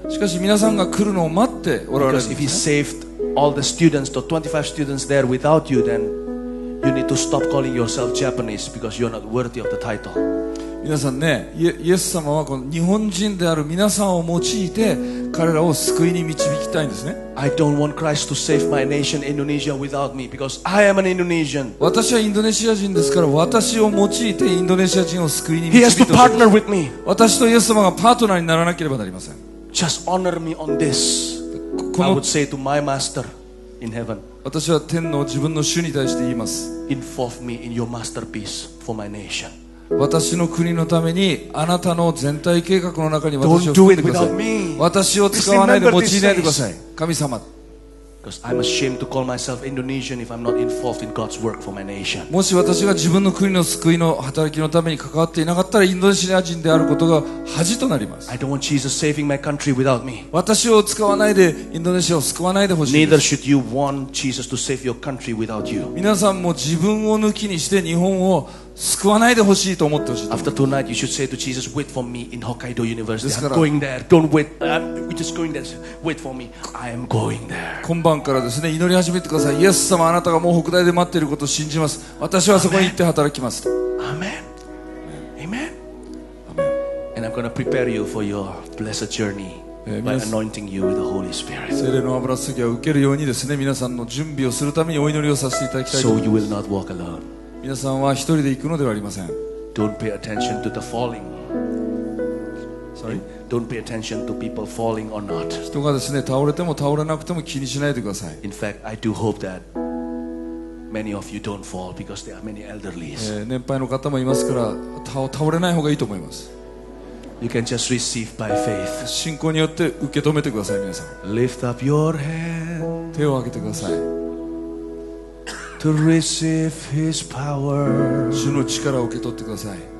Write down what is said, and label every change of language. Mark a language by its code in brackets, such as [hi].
[ja] しかし皆さんが来るのを待っておられるんですね。 [en] Because if he saved all the students, the 25 students there without you, then... You need to stop calling yourself Japanese because you're not worthy of the title. [ja] 皆さんね、イエス様はこの日本人である皆さんを用いて彼らを救いに導きたいんですね。 [en] I don't want Christ to save my nation Indonesia without me because I am an Indonesian. [ja] 私はインドネシア人ですから、私を用いてインドネシア人を救いに導 [en] く。He has to partner with me. [ja] 私とイエス様がパートナーにならなければなりません。 [en] Just honor me on this. I would say to my master in heaven. [ja] 私は天の自分の主に対して言います。 [en] Involve me in your masterpiece for my nation. [ja] 私の国のためにあなたの全体計画の中に私を含んでください。 [en] Don't do it without me. [ja] 私を使わないで用いないでください。神様、 [en] Because I'm ashamed to call myself Indonesian if I'm not involved in God's work for my nation. [ja] もし私が自分の国の救いの働きのために関わっていなかったらインドネシア人であることが恥となります。 [en] I don't want Jesus saving my country without me. [ja] 私を使わないでインドネシアを救わないでほしい。 [en] Neither should you want Jesus to save your country without you. [ja] 皆さんも自分を抜きにして日本を救わないでほしいと思ってほしい。 [en] After tonight, you should say to Jesus, "Wait for me in Hokkaido University. I'm going there. Don't wait. I'm just going there. Wait for me. I am going there." [ja] 今晩からですね、祈り始めてください。イエス様、あなたがもう北大で待っていることを信じます。私はそこに行って働きます。 [en] Amen. Amen. Amen. And I'm going to prepare you for your blessed journey by anointing you with the Holy Spirit. [ja] 聖霊の油注ぎを受けるようにですね、皆さんの準備をするためにお祈りをさせていただきたいと思います。 [en] So you will not walk alone. [ja] 皆さんは一人で行くのではありません。 [en] Don't pay attention to the falling. Sorry? Don't pay attention to people falling or not. [ja] 人がですね、倒れても倒れなくても気にしないでください。 [en] In fact, I do hope that many of you don't fall because there are many elderly. [ja] 年配の方もいますから、倒れない方がいいと思います。 [en] You can just receive by faith. [ja] 信仰によって受け止めてください、皆さん。 [en] Lift up your hand. [ja] 手を挙げてください。 [en] To receive His power, [ja] 主の力を受け取ってください。